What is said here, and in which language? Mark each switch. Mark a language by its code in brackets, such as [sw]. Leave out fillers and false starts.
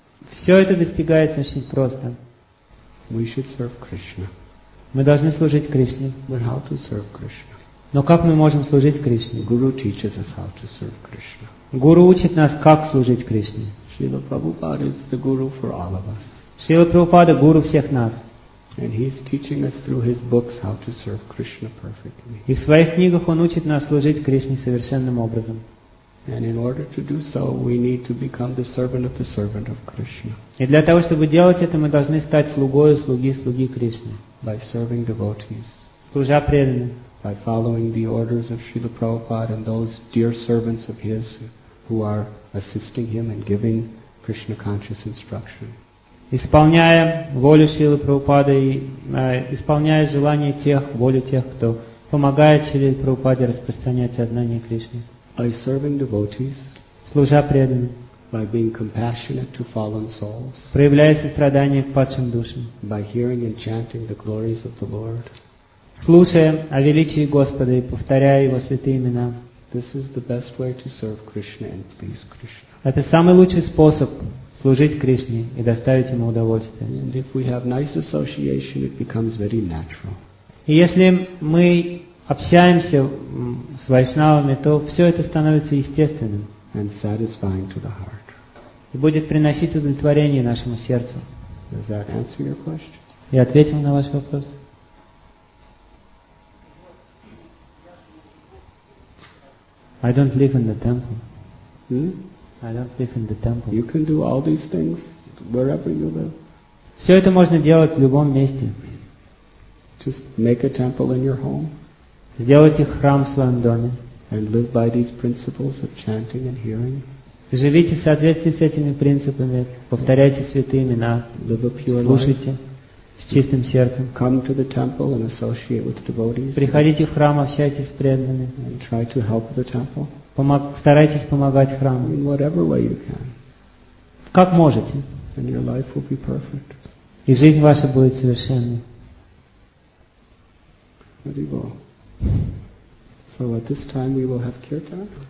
[ru] Все это достигается очень просто. [en] We should serve Krishna. [ru] Мы должны служить Кришне. [en] But how to serve Krishna? [ru] Но как мы можем служить Кришне? [en] Guru teaches us how to serve Krishna. [ru] Гуру учит нас, как служить Кришне. [en] Srila Prabhupada is the guru for all of us. [ru] Srila Prabhupada – гуру всех нас. [en] And he is teaching us through his books how to serve Krishna perfectly. [ru] И в своих книгах он учит нас служить Кришне совершенным образом. [en] And in order to do so, we need to become the servant of Krishna. [ru] И для того, чтобы делать это, мы должны стать слугою слуги Кришны. [en] By serving devotees. [ru] Служа преданным. [en] By following the orders of Srila Prabhupada and those dear servants of his who are assisting him and giving Krishna conscious instruction. [ru] Исполняя волю Шрилы Прабхупады, исполняя желание тех, волю тех, кто помогает Шриле Прабхупаде распространять сознание Кришны. [en] By serving devotees, [ru] служа преданным, [en] by being compassionate to fallen souls, [ru] проявляя сострадание к падшим душам, [en] by hearing and chanting the glories of the Lord, [ru] слушая о величии Господа и повторяя Его святые имена, [en] this is the best way to serve Krishna and please Krishna. [ru] Это самый лучший способ служить Кришне и доставить Ему удовольствие. [en] And if we have nice association, it becomes very natural. [ru] И если мы общаемся с вайшнавами, то все это становится естественным. [en] And satisfying to the heart. [ru] И будет приносить удовлетворение нашему сердцу. [en] Does that answer your question? [ru] Я ответил на ваш вопрос. [en] I don't live in the temple. I don't live in the temple. You can do all these things wherever you live. [ru] Все это можно делать в любом месте. [en] Just make a temple in your home. [ru] Сделайте храм в своем доме. [en] And live by these principles of chanting and hearing. [ru] Живите в соответствии с этими принципами. Повторяйте святые имена. [en] Live a pure [ru] Слушайте [en] life. [ru] С чистым сердцем. [en] Come to the temple and associate with devotees. [ru] Приходите в храм, общайтесь с преданными. [en] And try to help the temple. [ru] Старайтесь помогать храму. [en] In whatever way you can. [ru] Как можете. [en] And your life will be perfect. [ru] И жизнь ваша будет совершенной. [en] So at this time we will have kirtan.